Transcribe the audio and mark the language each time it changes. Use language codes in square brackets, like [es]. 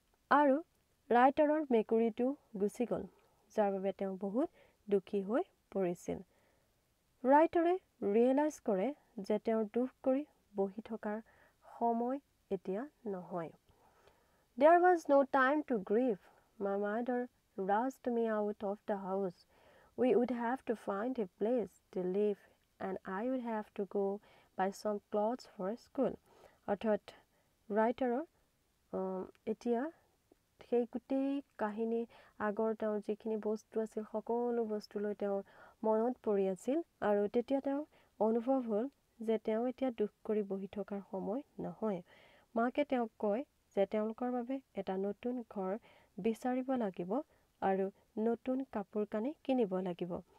[as] আৰু ৰাইটাৰৰ মেকুৰীটো গুচি গ'ল যাৰ বাবে তেওঁ বহুত দুখী হৈ পৰিছিল ৰাইটাৰে ৰিয়েলাইজ কৰে যে তেওঁৰ দুখ কৰি বহি থকাৰ সময় এতিয়া নহয় [en] There was no' time to grieve My mother rushed me out of the house. We would have to find a place to live, and I would have to go buy some clothes for school. [as] অৰ্থাৎ ৰাইটাৰৰ এতিয়া সেই গোটেই কাহিনী আগৰ তেওঁ যিখিনি বস্তু আছিল সকলো বস্তুলৈ তেওঁৰ মনত পৰি আছিল আৰু তেতিয়া তেওঁ অনুভৱ হ'ল যে তেওঁ এতিয়া দুখ কৰি বহি থকাৰ সময় নহয় মাকে তেওঁক কয় যে তেওঁলোকৰ বাবে এটা নতুন ঘৰ বিচাৰিব লাগিব আৰু নতুন কাপোৰ কানি কিনিব লাগিব